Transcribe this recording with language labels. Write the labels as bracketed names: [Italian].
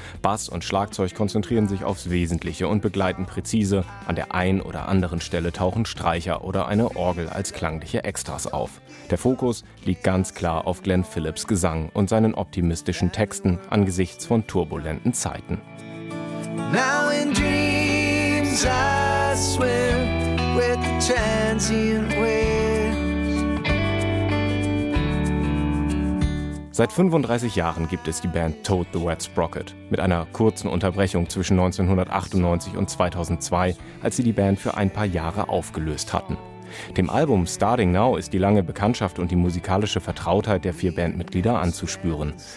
[German] Bass und Schlagzeug konzentrieren sich aufs Wesentliche und begleiten präzise. An der einen oder anderen Stelle tauchen Streicher oder eine Orgel als klangliche Extras auf. Der Fokus liegt ganz klar auf Glenn Phillips' Gesang und seinen optimistischen Texten angesichts von turbulenten Zeiten. [English] Now in dreams I swim with the transient waves. [German] Seit 35 Jahren gibt es die Band Toad the Wet Sprocket. Mit einer kurzen Unterbrechung zwischen 1998 und 2002, als sie die Band für ein paar Jahre aufgelöst hatten. Dem Album Starting Now ist die lange Bekanntschaft und die musikalische Vertrautheit der vier Bandmitglieder anzuspüren.